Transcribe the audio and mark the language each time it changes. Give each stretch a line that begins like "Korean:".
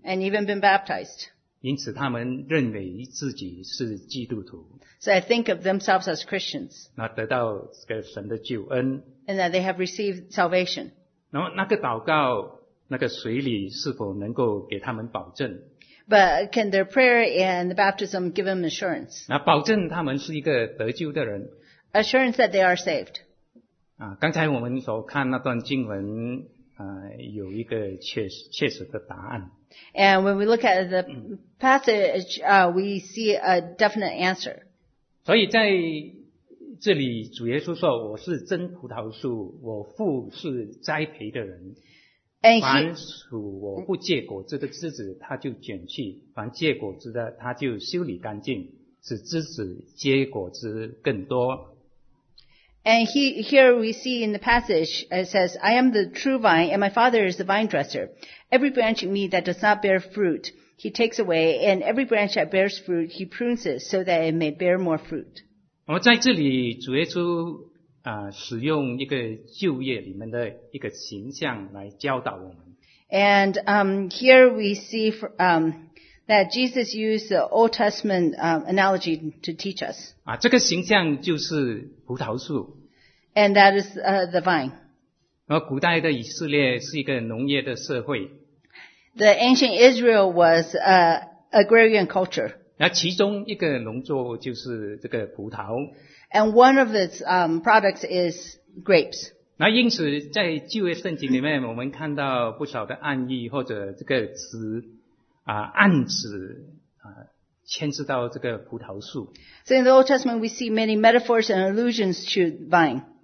English: and even been baptized.
Chinese: 因此他们认为自己是基督徒
English: so I think of themselves as Christians.
Chinese: 那得到这个神的救恩
English: and that they have received salvation.
Chinese: 然后那个祷告那个洗礼是否能够给他们保证
English: but can their prayer and the baptism give them assurance?
Chinese: 那保证他们是一个得救的人
English: assurance that they are saved.
Chinese: 刚才我们所看那段经文有一个确实的答案。
English: And when we look at the passage, we see a definite answer.
Chinese: 所以在这里主耶稣说我是真葡萄树我父是栽培的人。凡属我不结果子的枝子他就卷去凡结果子的他就修理干净使枝子结果子更多。
English: And here we see in the passage, it says, I am the true vine, and my Father is the vine dresser. Every branch in me that does not bear fruit, he takes away, and every branch that bears fruit, he prunes it, so that it may bear more fruit.
Chinese: 在这里主耶稣使用一个旧约里面的一个形象来教导我们。
English: And here we see that Jesus used the Old Testament analogy to teach us.
Chinese: 这个形象就是葡萄树。
English: And that is the vine.
Chinese: 而古代的以色列是一个农业的社会。
English: The ancient Israel was an agrarian culture.
Chinese: 那其中一个农作就是这个葡萄。
English: And one of its products is grapes.
Chinese: 那因此在旧约圣经里面我们看到不少的暗喻或者这个词。暗指牵涉到这个葡萄树。
English: So in the Old Testament, we see many metaphors and allusions to vine.